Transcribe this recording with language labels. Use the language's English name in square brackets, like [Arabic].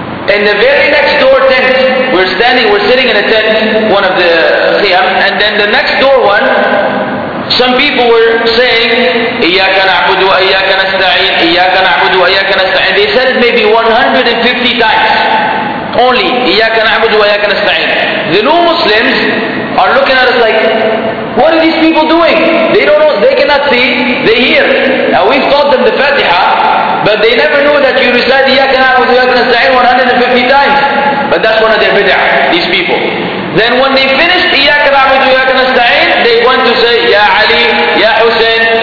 [English] In the very next door tent, we're sitting in a tent, one of the Qiyam, and then the next door one, some people were saying, [Arabic] إِيَّاكَ نَعْبُدُ وَإِيَّاكَ نَسْتَعِينَ [English] إِيَّاكَ نَعْبُدُ وَإِيَّاكَ نَسْتَعِينَ. They said it maybe 150 times. Only, [Arabic] إِيَّاكَ نَعْبُدُ وَإِيَّاكَ نَسْتَعِينَ. [English] The new Muslims are looking at us like, what are these people doing? They don't know, they cannot see, they hear. Now we've taught them the Fatiha, but they never knew that you recite [Arabic] إِيَّاكَ نَعْبُدُ وَإِيَّاكَ نَسْتَعِينَ [English] 150 times. But that's one of their bid'ah, these people. Then when they finished [Arabic] إِيَّاكَ نَعْبُدُ وَإِيَّاكَ نَسْتَعِينَ, [English] they went to say, Ya Ali, Ya Hussein,